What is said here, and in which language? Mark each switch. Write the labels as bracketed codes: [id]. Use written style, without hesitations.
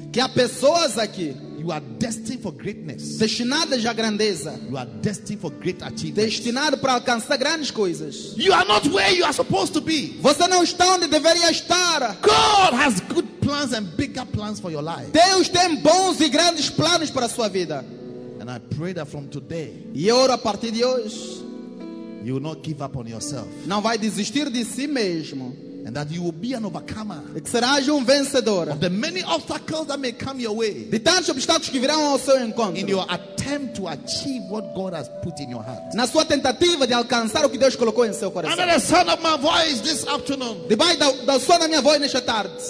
[pt] Que há pessoas aqui. [en] You are destined for greatness. [pt] Destinado à grandeza. [en] You are destined for great achievements. [pt] Destinado para alcançar grandes coisas. [en] You are not where you are supposed to be. [pt] Você não está onde deveria estar. [en] God has good plans and bigger plans for your life. [pt] Deus tem bons e grandes planos para a sua vida. [en] And I pray that from today. [pt] E oro a partir de hoje. [en] You will not give up on yourself. [pt] Não vai desistir de si mesmo. [en] And that you will be an overcomer. [pt] E que serás vencedor. [en] Of the many obstacles that may come your way. [pt] De tantos obstáculos que virão ao seu encontro. [en] In your attempt to achieve what God has put in your heart. [pt] Na sua tentativa de alcançar o que Deus colocou em seu coração. [en] Under the sound of my voice this afternoon. [pt] Debaixo da sua na minha voz nesta tarde.